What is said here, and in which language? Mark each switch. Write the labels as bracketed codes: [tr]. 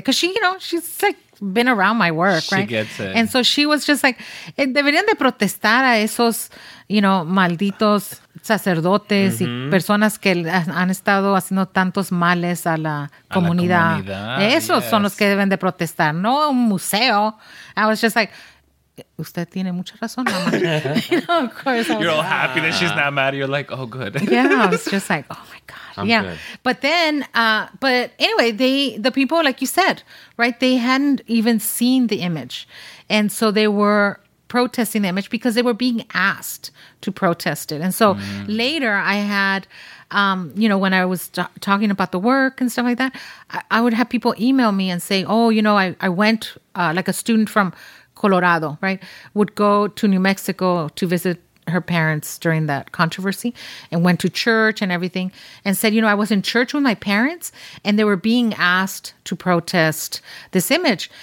[en] Because she, you know, she's like, been around my work, she right? She gets it. And so she was just like, [es] deberían de protestar a esos, [en] you know, [es] malditos sacerdotes y personas que han estado haciendo tantos males a la comunidad. Esos son los que deben de protestar, no un museo. [en] I was just like, [es] usted tiene mucha razón, mamá. [en] You know, of course. You're all happy that she's not mad. You're like, oh, good. Yeah, I was just like, oh, my God. Good. But then, the people, like you said, right, they hadn't even seen the image. And so they were protesting the image because they were being asked to protest it. And so later I had, you know, when I was talking about the work and stuff like that, I would have people email me and say, oh, you know, I went like a student from Colorado, right, would go to New Mexico to visit her parents during that controversy and went to church and everything and said, you know, I was in church with my parents and they were being asked to protest this image.